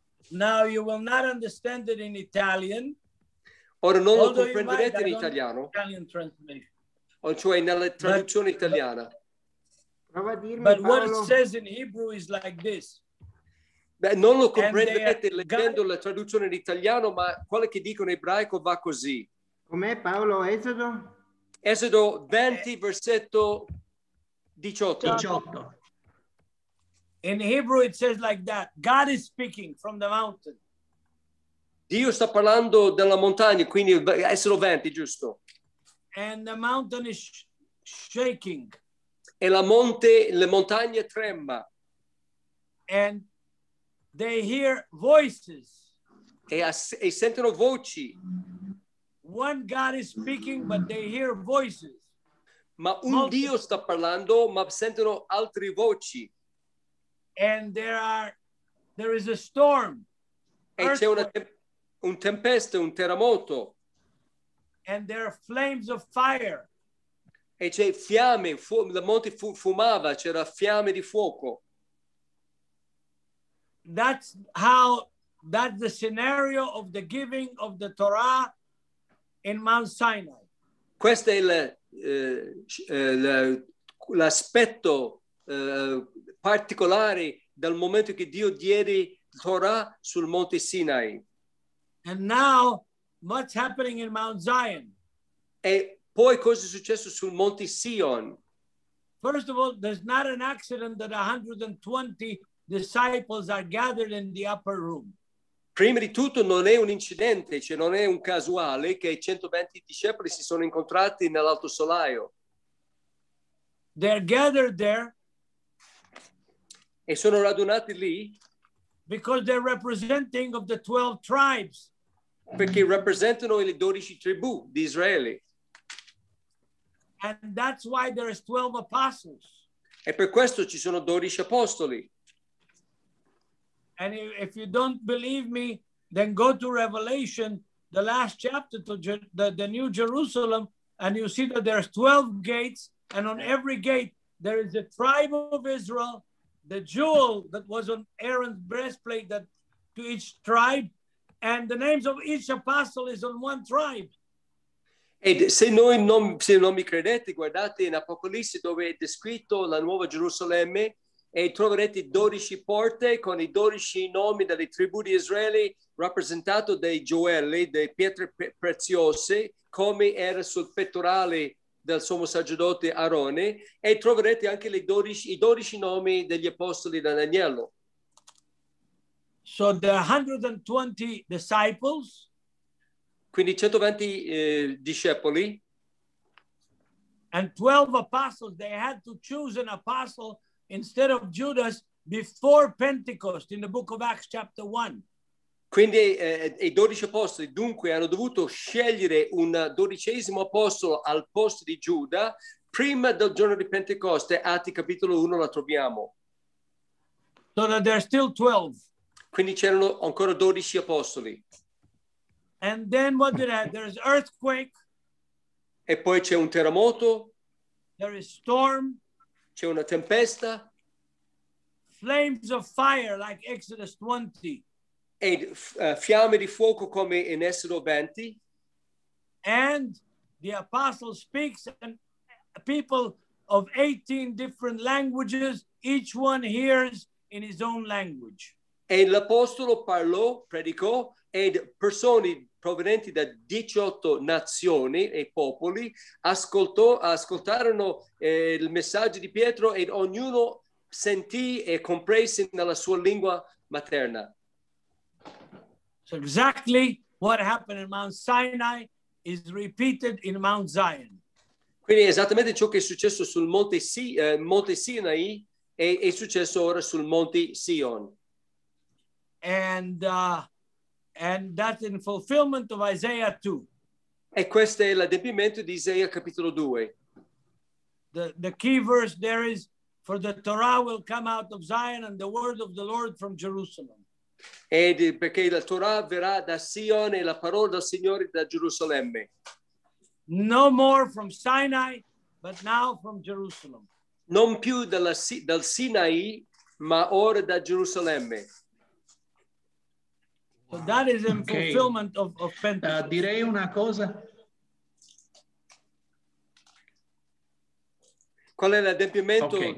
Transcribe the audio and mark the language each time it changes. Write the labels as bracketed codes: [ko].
[en] Now you will not understand it in Italian. [it] Ora non lo comprenderete in italiano. [en] Italian, [it] cioè nella traduzione italiana. [en] But what it says in Hebrew is like this. [it] Beh, non lo comprenderete leggendo la traduzione in italiano, ma quello che dicono in ebraico va così. Com'è Paolo? Esodo? Esodo 20, versetto 18. [en] 18. In Hebrew it says like that. God is speaking from the mountain. [it] Dio sta parlando della montagna, quindi Esodo 20, giusto? [en] And the mountain is shaking. [it] E le montagne tremba. [en] And they hear voices. [it] E sentono voci. [en] One God is speaking, but they hear voices. [it] Ma un Dio sta parlando, ma sentono altre voci. [en] And there are There is a storm. [it] E c'è una un tempesta, un terremoto. [en] And there are flames of fire. [it] E c'è fiamme, la monte fumava, c'era fiamme di fuoco. [en] That's how, that's the scenario of the giving of the Torah in Mount Sinai. [it] Questo è il, l'aspetto particolare dal momento che Dio diede Torah sul Monte Sinai. [en] And now, what's happening in Mount Zion? [it] E poi cosa è successo sul Monte Sion? [en] First of all, there's not an accident that 120 disciples are gathered in the upper room. [it] Prima di tutto non è un incidente, cioè non è un casuale che 120 discepoli si sono incontrati nell'alto solaio. [en] They're gathered there. [it] E sono radunati lì. [en] Because they're representing of the 12 tribes. [it] Perché rappresentano le 12 tribù di Israele. [en] And that's why there is 12 apostles. [it] E per questo ci sono 12 apostoli. [en] And if you don't believe me, then go to Revelation, the last chapter, to the New Jerusalem, and you see that there's 12 gates, and on every gate there is a tribe of Israel, the jewel that was on Aaron's breastplate, that to each tribe, and the names of each apostle is on one tribe. [it] Ed se noi non, se non mi credete, guardate in Apocalisse dove è descritto la Nuova Gerusalemme. E troverete 12 porte con i 12 nomi delle tribù di Israele rappresentato dai gioielli, delle pietre preziose, come era sul pettorale del sommo sacerdote Aarone. E troverete anche le 12, i 12 nomi degli apostoli da Daniele. [en] So the 120 disciples. [it] Quindi 120 discepoli. [en] And 12 apostles. They had to choose an apostle instead of Judas before Pentecost in the book of Acts chapter 1. [it] Quindi i 12 apostoli dunque hanno dovuto scegliere un dodicesimo apostolo al posto di Giuda prima del giorno di Pentecoste, Atti capitolo 1 la troviamo. [en] So that there are still 12. [it] Quindi c'erano ancora 12 apostoli. [en] And then what did that? There is earthquake. [it] E poi c'è un terremoto. [en] There is storm. [it] C'è una tempesta. [en] Flames of fire like Exodus 20. [it] E fiamme di fuoco come in Esodo 20. [en] And the apostle speaks and people of 18 different languages, each one hears in his own language. [it] E l'apostolo parlò, predicò, ed persone provenienti da 18 nazioni e popoli ascoltarono il messaggio di Pietro ed ognuno sentì e comprese nella sua lingua materna. [en] So exactly what happened in Mount Sinai is repeated in Mount Zion. [it] Quindi esattamente ciò che è successo sul Monte, Monte Sinai è successo ora sul Monte Sion. [en] And that's in fulfillment of Isaiah 2. [it] E questo è l'adempimento di Isaia capitolo 2. [en] The key verse there is, for the Torah will come out of Zion and the word of the Lord from Jerusalem. [it] Ed perché la Torah verrà da Sion e la parola del Signore da Gerusalemme. [en] No more from Sinai, but now from Jerusalem. [it] Non più dalla, dal Sinai, ma ora da Gerusalemme. [en] So that is in okay. Fulfillment of Pentecost. [it] Direi una cosa. Qual è l'adempimento? Okay.